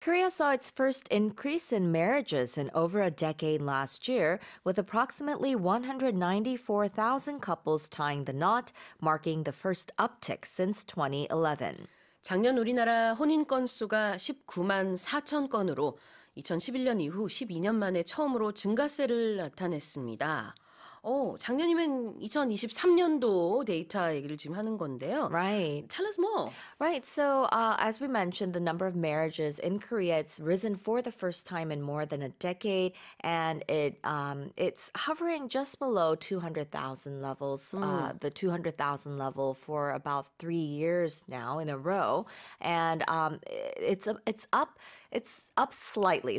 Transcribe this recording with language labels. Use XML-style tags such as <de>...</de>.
<en>Korea saw its first increase in marriages in over a decade last year, with approximately 194,000 couples tying the knot, marking the first uptick since 2011.</en> <ko>작년 우리나라 혼인 건수가 19만 4천 건으로 2011년 이후 12년 만에 처음으로 증가세를 나타냈습니다. 작년이면 2023년도 데이터 얘기를 지금 하는 건데요.</ko> <en>Right. Tell us more. Right. So, as we mentioned, the number of marriages in Korea has risen for the first time in more than a decade, and it's hovering just below 200,000 levels, the 200,000 level for about 3 years now in a row, and it's up slightly.</en>